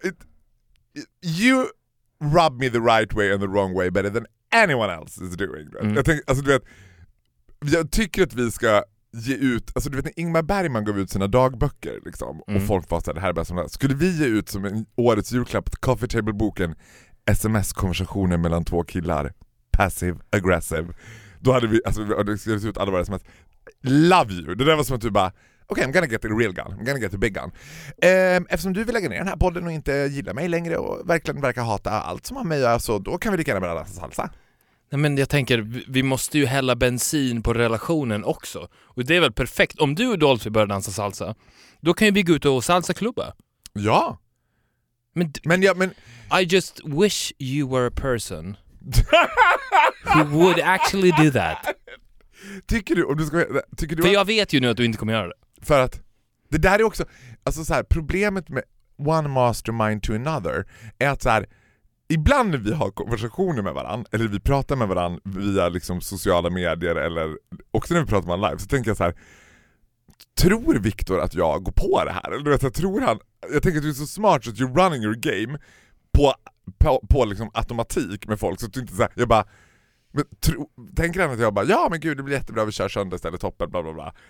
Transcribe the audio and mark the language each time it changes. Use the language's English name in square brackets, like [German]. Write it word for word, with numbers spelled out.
[English] It, it, you rub me the right way and the wrong way better than anyone else is doing. Right? [Swedish] Mm. Jag, tänk, alltså, du vet, jag tycker att vi ska ge ut... Alltså du vet när Ingmar Bergman gav ut sina dagböcker liksom, mm. och folk var så här, det här är bäst som det här. Skulle vi ge ut som en årets julklapp Coffee Table-boken sms-konversationer mellan två killar. [English] Passive aggressive. [Swedish] Då hade vi, alltså det skulle ut alla våra sms. [English] Love you. [Swedish] Det där var som att du bara, okej, [English] okay, I'm gonna get the real gun. I'm gonna get the big gun. [Swedish] Ehm, eftersom du vill lägga ner den här podden och inte gilla mig längre och verkligen verkar hata allt som har mig, så alltså, då kan vi lika gärna börja dansa salsa. Nej, men jag tänker, vi måste ju hälla bensin på relationen också. Och det är väl perfekt. Om du och Dolphy börjar dansa salsa, då kan ju vi gå ut och salsa-klubba. Ja. Men, d- men, ja, men... [English] I just wish you were a person who would actually do that. [Swedish] Tycker du, om du ska... Tycker du för att... jag vet ju nu att du inte kommer göra det. För att det där är också... Alltså så här, problemet med [English] one mastermind to another [Swedish] är att så här... Ibland när vi har konversationer med varandra eller vi pratar med varandra via liksom sociala medier eller också när vi pratar med live, så tänker jag så här: tror Victor att jag går på det här? Eller du vet, jag tror han, jag tänker att du är så smart så att [English] you're running your game [Swedish] på, på, på liksom automatik med folk, så att du inte så här, jag bara men, tro, tänker han att jag bara ja men gud det blir jättebra, vi kör söndag istället, toppen, bla bla bla.